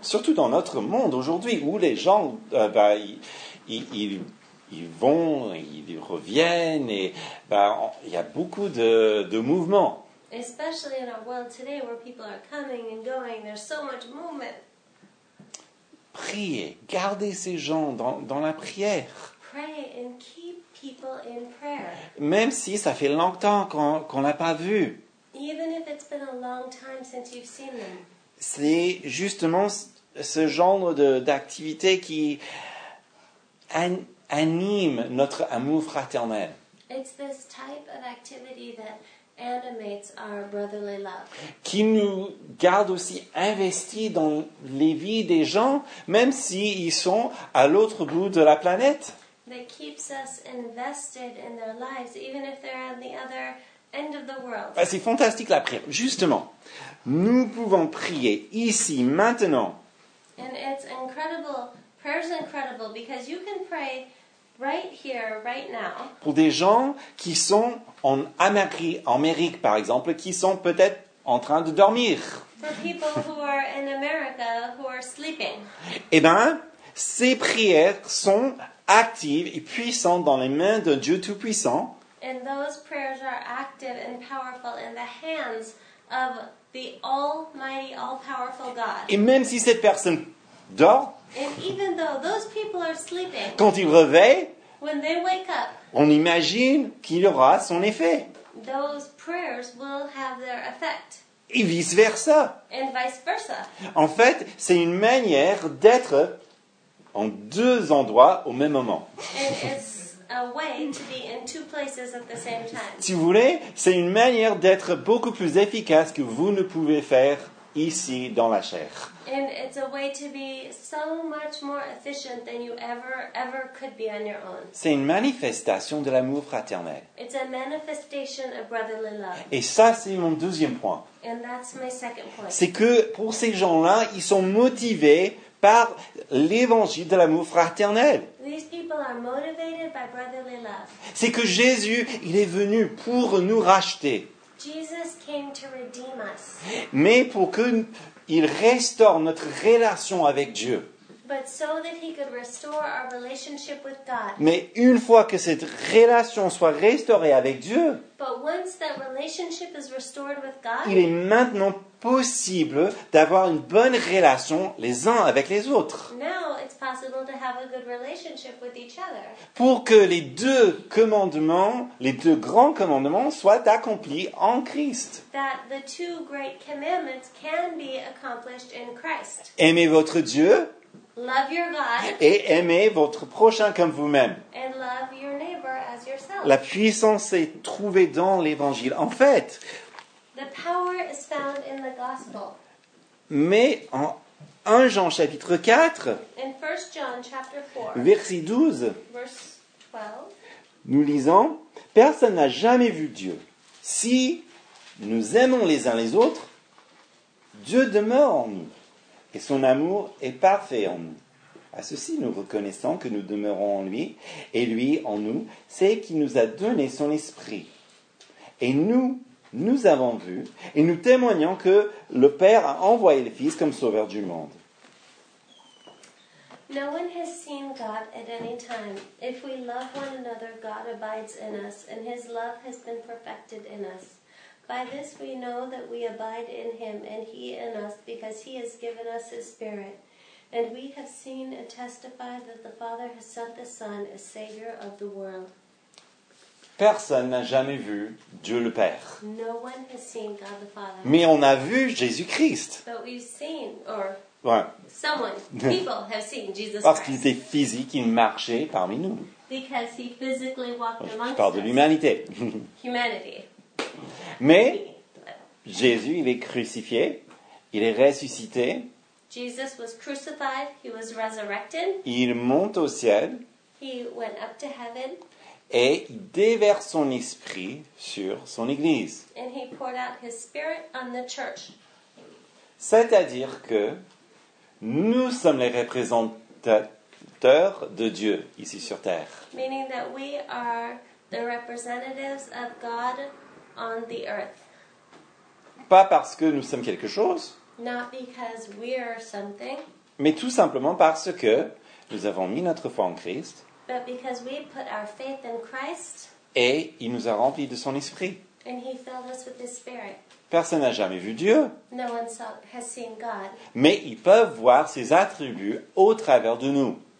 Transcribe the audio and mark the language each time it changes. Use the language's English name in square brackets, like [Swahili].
[French] Surtout dans notre monde aujourd'hui, où les gens, ils vont, ils reviennent, et il y a beaucoup de mouvements. [English] Especially in our world today, where people are coming and going, there's so much movement. [French] Priez, gardez ces gens dans la prière. [English] Pray and keep people in prayer. [French] Même si ça fait longtemps qu'on l'a pas vu. [English] Even if it's been a long time since you've seen them. [French] C'est justement ce genre d'activité qui anime notre amour fraternel. [English] It's this type of activity that animates our brotherly love. [French] Qui nous garde aussi investis dans les vies des gens, même s'ils sont à l'autre bout de la planète. [English] That keeps us invested in their lives, even if they're on the other end of the world. [French] Ah, c'est fantastique la prière. Justement, nous pouvons prier ici, maintenant. [English] And it's incredible. Prayer's incredible because you can pray right here, right now. [French] Pour des gens qui sont en Amérique, par exemple, qui sont peut-être en train de dormir. [English] For people who are in America who are sleeping. [French] Eh bien, ces prières sont actives et puissantes dans les mains de Dieu Tout-Puissant. [English] And those prayers are active and powerful in the hands of the Almighty, All-Powerful God. [French] Et même si cette personne dort, [English] and even though those people are sleeping, [French] quand ils réveillent, [English] when they wake up, [French] on imagine qu'il aura son effet. [English] Those prayers will have their effect. [French] Et vice-versa. [English] And vice versa. [French] En fait, c'est une manière d'être en deux endroits au même moment. [English] A way to be in two places at the same time. [French] Si vous voulez, c'est une manière d'être beaucoup plus efficace que vous ne pouvez faire ici dans la chair. [English] And it's a way to be so much more efficient than you ever could be on your own. [French] C'est une manifestation de l'amour fraternel. [English] It's a manifestation of brotherly love. [French] Et ça, c'est mon deuxième point. [English] And that's my second point. [French] C'est que pour ces gens-là, ils sont motivés par l'évangile de l'amour fraternel. [English] These people are motivated by brotherly love. [French] C'est que Jésus, il est venu pour nous racheter. [English] Jesus came to redeem us. [French] Mais pour qu'il restaure notre relation avec Dieu. [English] But so that he could restore our relationship with God. [French] Mais une fois que cette relation soit restaurée avec Dieu, [English] but once that relationship is restored with God, [French] il est maintenant possible d'avoir une bonne relation les uns avec les autres. [English] Now it's possible to have a good relationship with each other. [French] Pour que les deux commandements, les deux grands commandements, soient accomplis en Christ. [English] That the two great commandments can be accomplished in Christ. [French] Aimez votre Dieu. [English] Love your God. [French] Et aimez votre prochain comme vous-même. [English] And love your neighbor as yourself. [French] La puissance est trouvée dans l'évangile. En fait, [English] the power is found in the gospel. [French] Mais en 1 Jean chapitre 4, [English] in 1 John chapter 4, [French] verset 12, [English] verse 12, [French] nous lisons, personne n'a jamais vu Dieu. Si nous aimons les uns les autres, Dieu demeure en nous. Et son amour est parfait en nous. À ceci, nous reconnaissons que nous demeurons en lui, et lui en nous, c'est qu'il nous a donné son esprit. Et nous, nous avons vu, et nous témoignons que le Père a envoyé le Fils comme sauveur du monde. [English] No one has seen God at any time. If we love one another, God abides in us, and his love has been perfected in us. By this we know that we abide in him, and he in us, because he has given us his Spirit. And we have seen and testified that the Father has sent the Son as Savior of the world. [French] Personne n'a jamais vu Dieu le Père. [English] No one has seen God the Father. [French] Mais on a vu Jésus-Christ. [English] But we've seen, or... [French] Ouais. [English] Someone, people have seen Jesus. [French] Parce qu'il était physique, il marchait parmi nous. [English] Because he physically walked amongst us. [French] Je parle de l'humanité. [English] Humanity. [French] Mais Jésus, il est crucifié, il est ressuscité. [English] Jesus was crucified, he was resurrected. [French] Il monte au ciel. [English] He went up to heaven. [French] Et il déverse son esprit sur son église. [English] And he poured out his spirit on the church. [French] C'est-à-dire que nous sommes les représentateurs de Dieu ici sur terre. [English] Meaning that we are the representatives of God on the earth. [French] Pas parce que nous sommes quelque chose. [English] Not because we are something. [French] Mais tout simplement parce que nous avons mis notre foi en Christ. [English] But because we put our faith in Christ. [French] Et il nous a remplis de son esprit. [English] And he filled us with his spirit. [French] Personne n'a jamais vu Dieu. [English] No one has seen God. [French] Mais ils peuvent voir ses attributs au travers de nous.